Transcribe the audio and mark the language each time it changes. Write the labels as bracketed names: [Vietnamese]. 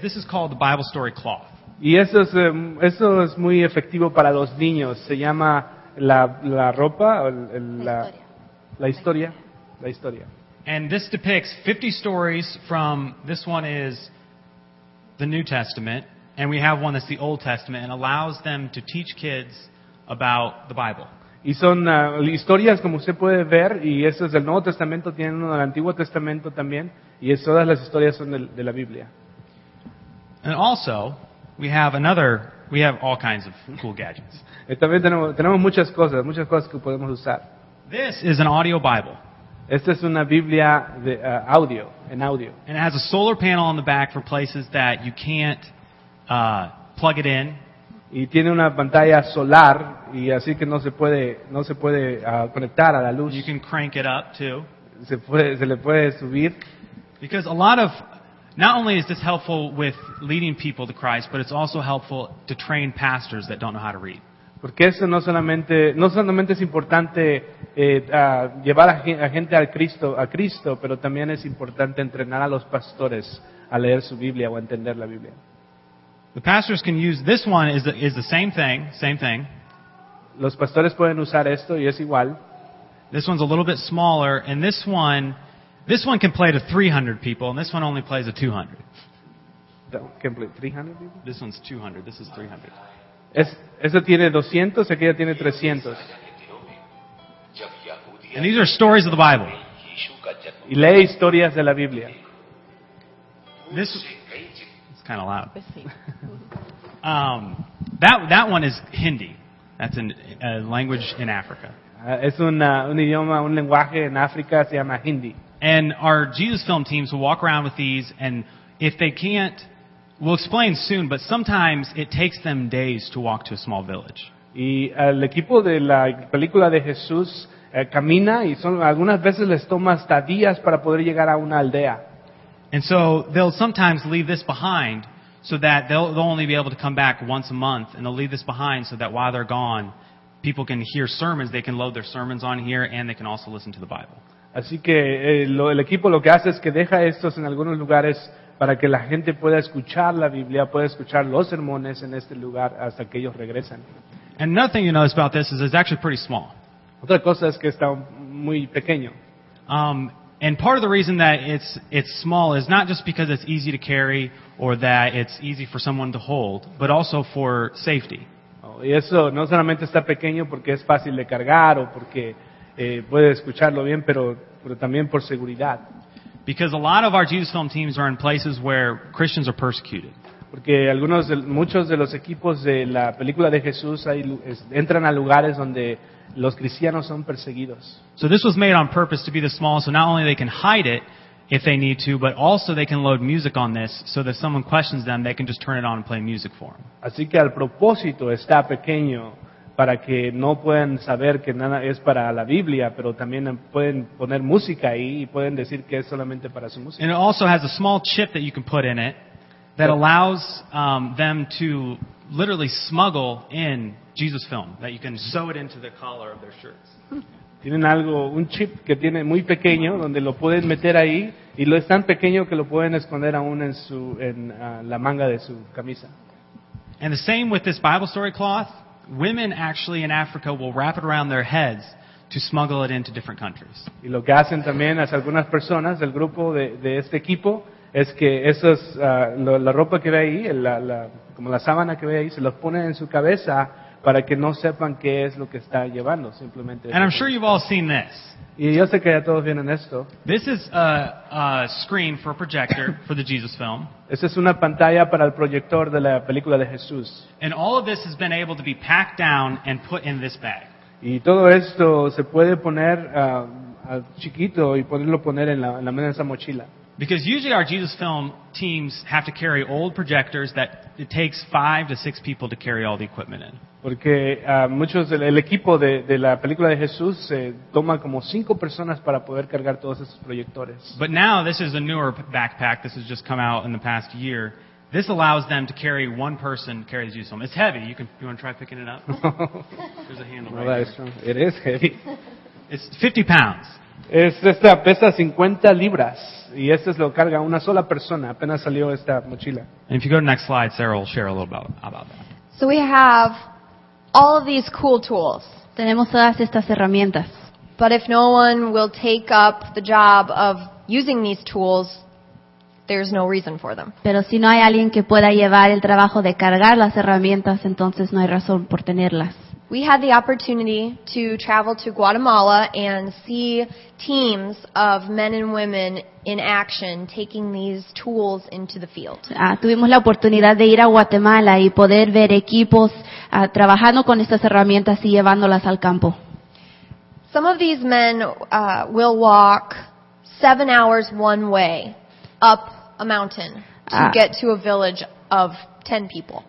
[English] This is called the Bible story cloth. [Spanish] Y eso es muy efectivo para los niños. Se llama la ropa o la historia. [English] And this depicts 50 stories from, this one is the New Testament, and we have one that's the Old Testament, and allows them to teach kids about the Bible. [Spanish] Y son historias, como usted puede ver, y eso es del Nuevo Testamento, tienen uno del Antiguo Testamento también, y todas las historias son de la Biblia. [English] And also, we have all kinds of cool gadgets. [Spanish] También tenemos muchas cosas que podemos usar. [English] This is an audio Bible. [Spanish] Esta es una Biblia de audio. [English] And it has a solar panel on the back for places that you can't plug it in. [Spanish] Y tiene una pantalla solar y así que no se puede conectar a la luz. [English] You can crank it up too. [Spanish] Se le puede subir. [English] Because a lot of, not only is this helpful with leading people to Christ, but it's also helpful to train pastors that don't know how to read. [Spanish] Porque eso no solamente es importante llevar a gente a Cristo, pero también es importante entrenar a los pastores a leer su Biblia o a entender la Biblia. [English] The pastors can use this one is the same thing. [Spanish] Los pastores pueden usar esto y es igual. [English] This one's a little bit smaller, and this one can play to 300 people, and this one only plays to 200. That one can play 300 people? This one's 200. This is 300. [Spanish] Esa tiene 200, aquella tiene 300. [English] And these are stories of the Bible. [Spanish] Y lee historias de la Biblia. [English] This is kind of loud. That one is Hindi. That's a language in Africa. [Spanish] Es un idioma, un lenguaje en África, se llama Hindi. [English] And our Jesus film teams will walk around with these, and if they can't, we'll explain soon, but sometimes it takes them days to walk to a small village. [Spanish] Y el equipo de la película de Jesús camina, y son, algunas veces les toma hasta días para poder llegar a una aldea. [English] And so they'll sometimes leave this behind so that they'll only be able to come back once a month, and they'll leave this behind so that while they're gone, people can hear sermons, they can load their sermons on here, and they can also listen to the Bible. [Spanish] Así que el equipo lo que hace es que deja estos en algunos lugares para que la gente pueda escuchar la Biblia, pueda escuchar los sermones en este lugar hasta que ellos regresen. [English] And another thing you notice about this is it's actually pretty small. [Spanish] Otra cosa es que está muy pequeño. [English] And part of the reason that it's small is not just because it's easy to carry or that it's easy for someone to hold, but also for safety. [Spanish] Y eso no solamente está pequeño porque es fácil de cargar o porque puede escucharlo bien, pero también por seguridad. [English] Because a lot of our Jesus film teams are in places where Christians are persecuted. [Spanish] Porque muchos de los equipos de la película de Jesús entran a lugares donde los cristianos son perseguidos. [English] So this was made on purpose to be the smallest, so not only they can hide it if they need to, but also they can load music on this so that if someone questions them, they can just turn it on and play music for them. [Spanish] Así que al propósito está pequeño para que no puedan saber que nada es para la Biblia, pero también pueden poner música ahí y pueden decir que es solamente para su música. [English] And it also has a small chip that you can put in it that allows them to literally smuggle in Jesus film, that you can sew it into the collar of their shirts. [Spanish] Tienen algo, un chip que tiene muy pequeño, donde lo pueden meter ahí, y lo es tan pequeño que lo pueden esconder aún en la manga de su camisa. [English] And the same with this Bible story cloth, women actually in Africa will wrap it around their heads to smuggle it into different countries. [Spanish] Y lo que hacen también es algunas personas del grupo de este equipo, es que esos, la ropa que ve ahí, como la sábana que ve ahí, se los ponen en su cabeza para que no sepan qué es lo que está llevando, simplemente. [English] And I'm sure you've all seen this. [Spanish] Y yo sé que ya todos vienen esto. [English] This is a screen for a projector for the Jesus film. [Spanish] Esta es una pantalla para el proyector de la película de Jesús. [English] And all of this has been able to be packed down and put in this bag. [Spanish] Y todo esto se puede poner chiquito y ponerlo en esa mochila. [English] Because usually our Jesus film teams have to carry old projectors that it takes 5 to 6 people to carry all the equipment in. [Spanish] Porque muchos el equipo de la película de Jesús se toma como 5 personas para poder cargar todos esos proyectores. [English] But now this is a newer backpack. This has just come out in the past year. This allows them to carry one person carry the Jesus film. It's heavy. You want to try picking it up? There's a handle right there. It is heavy. It's 50 pounds. [Spanish] Esta pesa 50 libras y esta lo carga una sola persona. Apenas salió esta mochila. [English] And if you go to the next slide, Sarah will share a little bit about that. So we have all of these cool tools. [Spanish] Tenemos todas estas herramientas. [English] But if no one will take up the job of using these tools, there's no reason for them. [Spanish] Pero si no hay alguien que pueda llevar el trabajo de cargar las herramientas, entonces no hay razón por tenerlas. [English] We had the opportunity to travel to Guatemala and see teams of men and women in action taking these tools into the field. [Spanish] Tuvimos la oportunidad de ir a Guatemala y poder ver equipos trabajando con estas herramientas y llevándolas al campo. [English] Some of these men will walk 7 hours one way up a mountain to get to a village of 10 people.